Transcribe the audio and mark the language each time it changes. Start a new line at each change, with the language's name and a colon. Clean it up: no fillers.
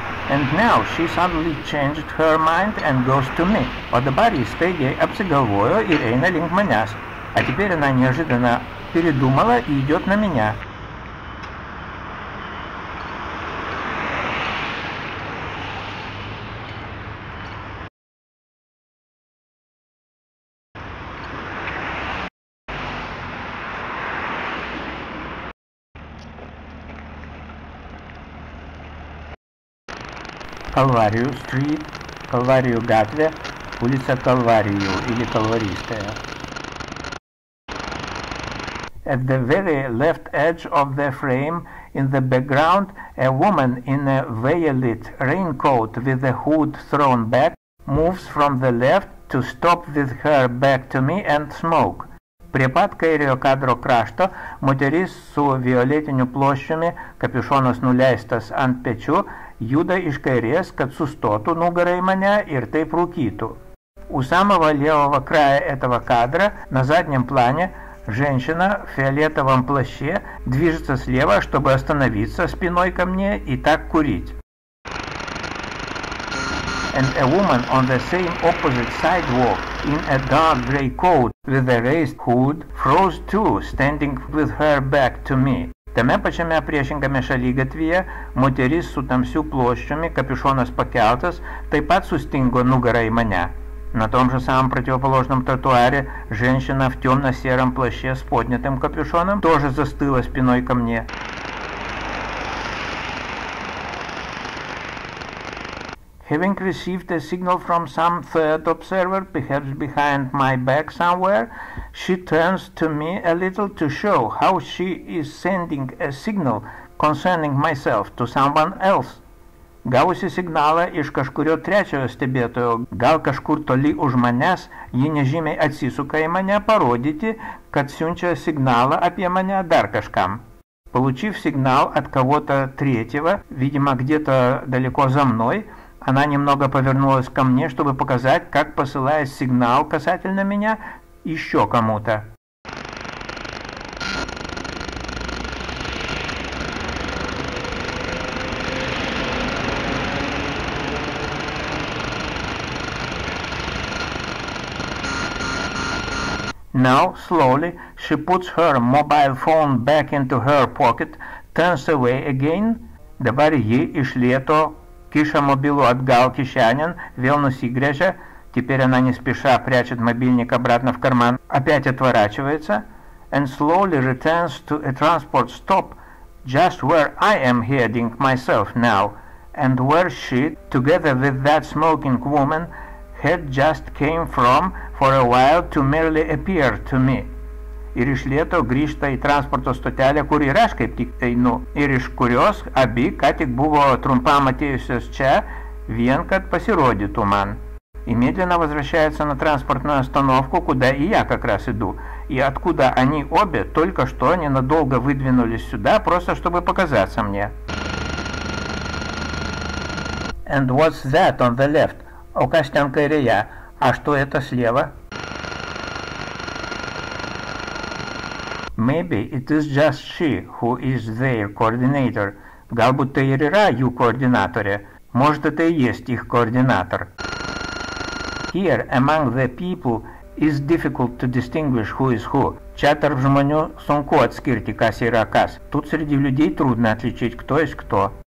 English: And now she suddenly changed her mind and goes to me.
Lithuanian: O dabar jis taigiai apsigalvojo ir eina link manęs.
Russian: A теперь она неожиданно передумала и идет на меня. Калварию стрит, Калварию гатве, улица Калварию или Калваристая.
English: At the very left edge of the frame, in the background, a woman in a veil-lit raincoat with a hood thrown back moves from the left to stop with her back to me and smoke.
Lithuanian: Prie pat kairio kadro krašto, moteris su violetiniu ploščiumi, kapišonas nuleistas ant pečių, juda iš kairės, kad sustotų nugarą į mane ir taip rūkytų.
Russian: У самого левого края этого кадра, на заднем плане, женщина в фиолетовом плаще движется слева, чтобы остановиться спиной ко мне и так курить.
English: And a woman on the same opposite sidewalk, in a dark grey coat, with a raised hood, froze too, standing with her back to me.
Lithuanian: Tame pačiame priešingame šalygatvyje, moteris su tamsiu ploščiumi, kapišonas pakeltas, taip pat sustingo nugarą į mane.
Russian: На том же самом противоположном тротуаре, женщина в темно-сером плаще с поднятым капюшоном тоже застыла спиной ко мне.
English: Having received a signal from some third observer, perhaps behind my back somewhere, she turns to me a little to show how she is sending a signal concerning myself to someone else.
Lithuanian: Gavusi signalą iš kažkurio trečiojo stebėtojo, gal kažkur toli už manęs, ji nežymiai atsisuka į mane parodyti, kad siunčia signalą apie mane dar kažkam.
Russian: Получив сигнал от кого-то третьего, видимо, где-то далеко за мной, она немного повернулась ко мне, чтобы показать, как посылает сигнал касательно меня еще кому-то.
English: Now, slowly, she puts her mobile phone back into her pocket, turns away again.
Lithuanian: Dabar ji iš lėto kiša mobilų atgal kišenin, vėl nusigrėžia,
Russian: теперь она не спеша прячет мобильник обратно в карман, опять отворачивается,
English: and slowly returns to a transport stop, just where I am heading myself now, and where she, together with that smoking woman, had just came from for a while to merely appear to me.
Lithuanian: Ir iš lieto grįžta į transporto stotelę, kur ir aš kaip tik einu. Ir iš kurios abi, ką tik buvo trumpam atėjusios čia, vien kad pasirodytų man.
Russian: И медленно возвращается на транспортную остановку, куда и я как раз иду. И откуда они обе только что ненадолго выдвинулись сюда, просто чтобы показаться мне.
English: And what's that on the left? О, Костянка Ирия.
Russian: А что это слева?
English: Maybe it is just she who is their coordinator.
Lithuanian: Galbūt tai ir yra jų координаторе.
Russian: Может, это и есть их координатор.
English: Here, among the people, is difficult to distinguish who is who.
Lithuanian: Čia tarp žmonių sunku atskirti, kas yra kas.
Russian: Тут среди людей трудно отличить, кто есть кто.